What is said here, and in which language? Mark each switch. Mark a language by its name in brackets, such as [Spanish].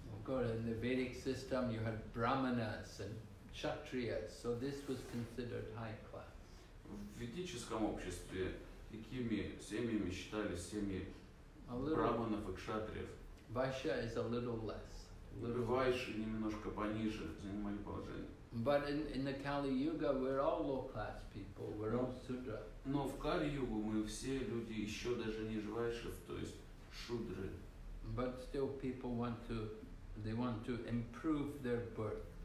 [English] In the Vedic system, you had brahmanas and kshatriyas, so this was considered high class. [Russian] В ведическом обществе такими семьями считались семьи браманов и кшатриев. [English] Vaishya is a little less. [Russian] Vaishya немножко пониже занимали положение. [English] But in the Kali Yuga, we're all low class people. We're all sudra. [Russian] Но в Кали Югу мы все люди еще даже ниже вайшев, то есть шудры. [English] But still people want to improve their birth.